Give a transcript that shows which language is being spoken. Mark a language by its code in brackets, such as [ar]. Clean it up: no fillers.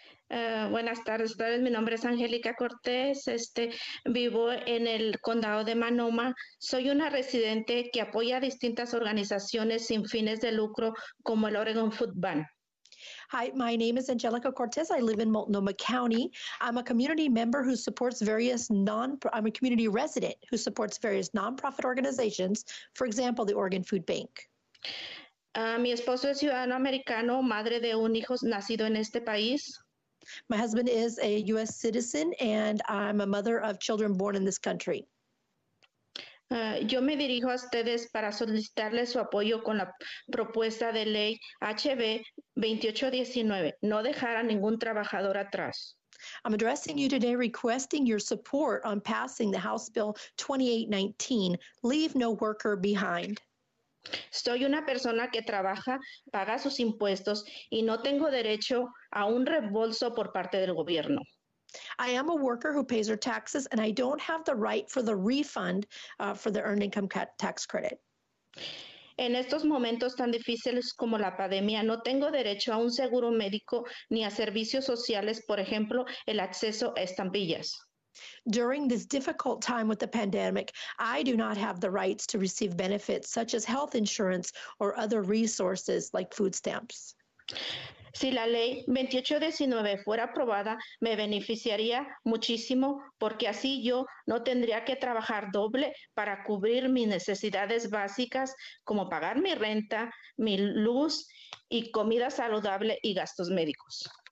[es] Buenas tardes, mi nombre es Angélica Cortés, vivo en el condado de Manoma. Soy una residente que apoya a distintas organizaciones sin fines de lucro como el Oregon Food Bank. [en] Hi, my name is Angélica Cortés. I live in Multnomah County. I'm a community member who supports various I'm a community resident who supports various nonprofit organizations, for example, the Oregon Food Bank. [es] Mi esposo es ciudadano americano, madre de un hijo nacido en este país. [en] My husband is a U.S. citizen, and I'm a mother of children born in this country. [es] Yo me dirijo a ustedes para solicitarles su apoyo con la propuesta de ley HB 2819, no dejar a ningún trabajador atrás. [en] I'm addressing you today requesting your support on passing the House Bill 2819, Leave No Worker Behind. [es] Soy una persona que trabaja, paga sus impuestos y no tengo derecho a un reembolso por parte del gobierno. [en] I am a worker who pays her taxes and I don't have the right for the refund for the earned income tax credit. [es] En estos momentos tan difíciles como la pandemia, no tengo derecho a un seguro médico ni a servicios sociales, por ejemplo, el acceso a estampillas. [en] During this difficult time with the pandemic, I do not have the rights to receive benefits such as health insurance or other resources like food stamps. [es] Si la ley 2819 fuera aprobada, me beneficiaría muchísimo porque así yo no tendría que trabajar doble para cubrir mis necesidades básicas como pagar mi renta, mi luz y comida saludable y gastos médicos.